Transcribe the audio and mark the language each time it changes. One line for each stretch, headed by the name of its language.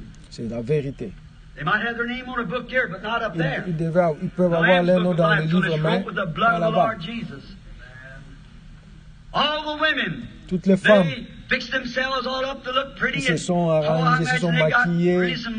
French: C'est la vérité. Ils peuvent avoir leur nom dans le livre, mais pas là-bas.
English: All the women,
French: toutes les femmes,
English: they fixed themselves all up to look pretty.
French: Ils se sont arrangés, ils se sont maquillés.